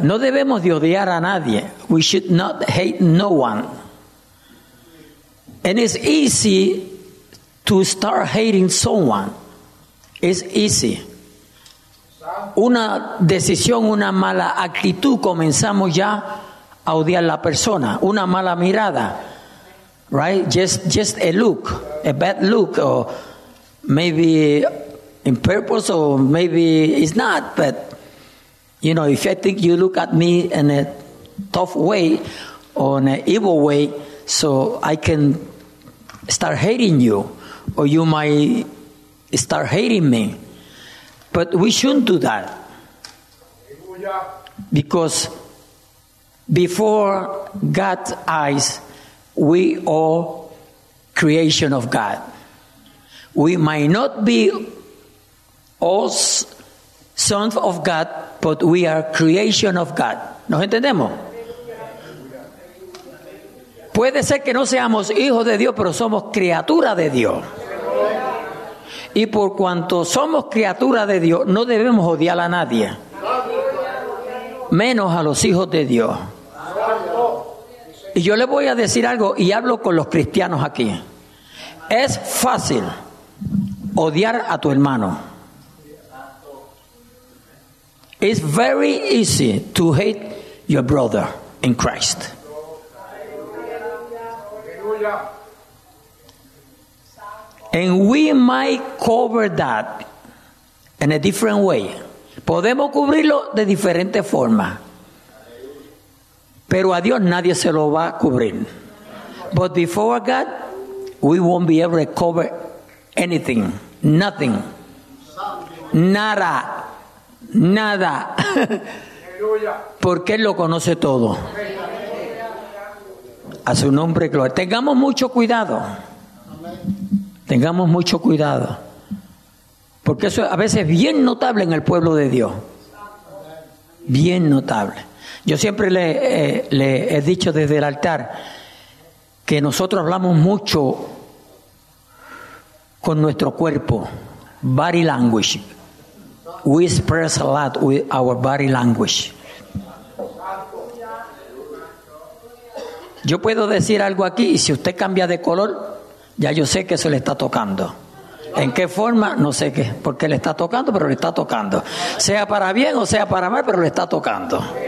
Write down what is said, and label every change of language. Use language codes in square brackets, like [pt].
[es] No debemos de odiar a nadie. [en] We should not hate no one. And it's easy to start hating someone. It's easy. [es] Una decisión, una mala actitud, comenzamos ya a odiar a la persona. Una mala mirada. [en] Right, just a look, a bad look, or maybe in purpose, or maybe it's not, but You know, if I think you look at me in a tough way or in an evil way, so I can start hating you, or you might start hating me. But we shouldn't do that. Because before God's eyes, we are creation of God. We might not be all sons of God, but we are creation of God. [es] ¿Nos entendemos? Puede ser que no seamos hijos de Dios, pero somos criatura de Dios. Y por cuanto somos criatura de Dios, no debemos odiar a nadie, menos a los hijos de Dios. Y yo le voy a decir algo, y hablo con los cristianos aquí. Es fácil odiar a tu hermano. [en] It's very easy to hate your brother in Christ. And we might cover that in a different way. [es] Podemos cubrirlo de diferente forma. Pero a Dios nadie se lo va a cubrir. [en] But before God, we won't be able to cover anything. Nothing. [es] Nada. Nada. Porque Él lo conoce todo. A su nombre, gloria. Tengamos mucho cuidado. Tengamos mucho cuidado. Porque eso a veces es bien notable en el pueblo de Dios. Bien notable. Yo siempre le he dicho desde el altar que nosotros hablamos mucho con nuestro cuerpo. [en] Body language. We express a lot with our body language. [es] Yo puedo decir algo aquí y si usted cambia de color, ya yo sé que eso le está tocando. ¿En qué forma? No sé qué. ¿Por qué le está tocando? Pero le está tocando. Sea para bien o sea para mal, pero le está tocando.